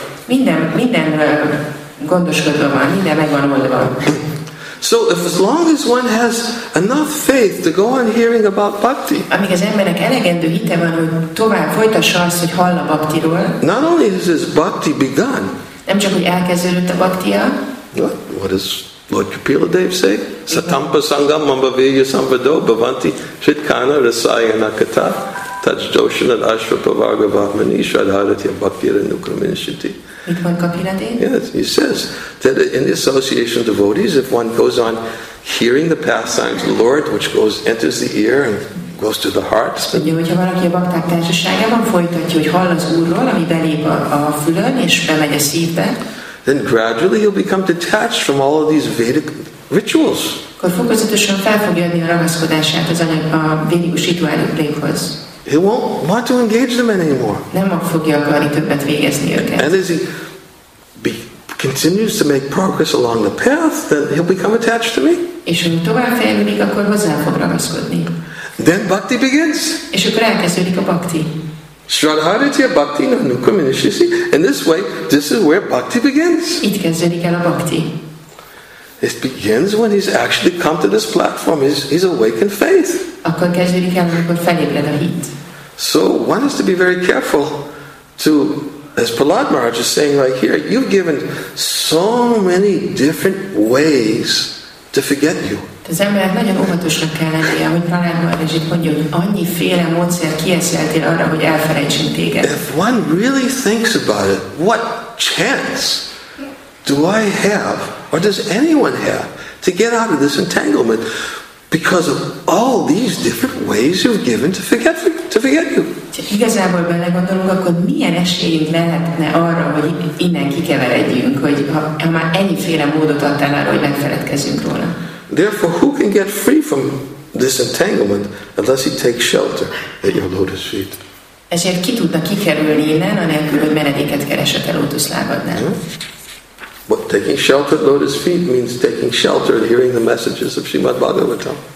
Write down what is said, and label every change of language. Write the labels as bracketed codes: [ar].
[hu] Minden gondoskodva van, minden megvan oldva. [en] So if as long as one has enough faith to go on hearing about bhakti, [hu] amíg az embernek elegendő hite van, hogy tovább folytassa azt, hogy hall a bhaktiról, [en] not only is his bhakti begun, [hu] nem csak hogy elkezdődött a bhaktia, [en] what is Lord Kapila Dev say? [sa] Satampa sangam mambavirya sampado bhavanti shitkana rasaya nakata tach doshanat ashvapavarga vahmani shradharatya bhaktira nukramin shiti. [en] Yes, he says that in the association of devotees, if one goes on hearing the pastimes of the Lord, which goes enters the ear and goes to the heart. [hu] Ugye, hogyha valaki a bakták társaságában folytatja, hogy hall az Úrról, ami belép a fülön és bemegy a szívbe, [en] then gradually you'll become detached from all of these Vedic rituals. [hu] Akkor fokozatosan fel fogja adni a ragaszkodását az anyag a védikus rituálékhoz. [en] He won't want to engage them anymore. [hu] Nem fogja akarni többet végezni őket. [en] And as he continues to make progress along the path, then he'll become attached to me. [hu] És ha tovább fejlődik, akkor hozzá fog ragaszkodni. [en] Then bhakti begins. [hu] És akkor elkezdődik a bhakti. [sa] Shradharitya bhakti na nukuminishisi. [en] In this way, this is where bhakti begins. [hu] Itt kezdődik el a bhakti. [en] It begins when he's actually come to this platform. He's awakened faith. [hu] Akkor kezdődik el, amikor felébred a hit. [en] So one has to be very careful to, as Prahlad Maharaj is saying right here, you've given so many different ways to forget you. [hu] Az ember nagyon óvatosnak kell lennie, ahogy Prahlad Maharaj itt mondja, hogy annyi féle módszer kieszeltél arra, hogy elfelejtsünk téged. [en] If one really thinks about it, what chance do I have, or does anyone have, to get out of this entanglement because of all these different ways you've given to forget you? [hu] Ha igazából belegondolunk, akkor milyen esélyünk lehetne arra, hogy innen kikeveredjünk, hogy ha már ennyiféle módot adtál arra, hogy megfeledkezzünk róla. [en] Therefore, who can get free from this entanglement unless he takes shelter at your lotus feet? [hu] Ezért ki tudna kikerülni innen, anélkül, hogy menedéket keresett a lótusz lábadnál? [en] But taking shelter at lotus feet means taking shelter and hearing the messages of Srimad Bhagavatam.